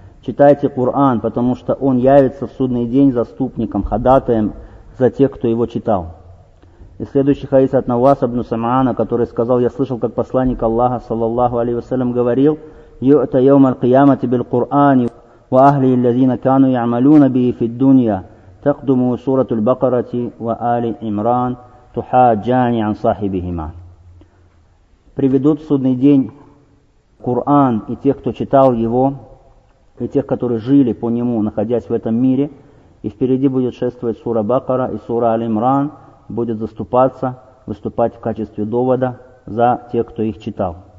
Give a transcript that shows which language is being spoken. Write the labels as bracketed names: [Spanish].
[Russian] Читайте Кур'ан, потому что он явится в судный день заступником, ходатаем за тех, кто его читал. И следующий хадис от Навас ибн Сам'ана, который сказал, я слышал, как посланник Аллаха, саллаллаху алейхи вассалям, говорил, [Arabic] «Юта яум Аль-Киямати бил-Кур'ани». وأهل الذين كانوا يعملون به في الدنيا تقدم سورة البقرة وآل عمران تحاجان عن صاحبهما. [Russian] Приведут в судный день Коран и тех, кто читал его, и тех, которые жили по нему, находясь в этом мире, и впереди будет шествовать сура Бакара и сура Аль-Имран, будет заступаться, выступать в качестве довода за тех, кто их читал.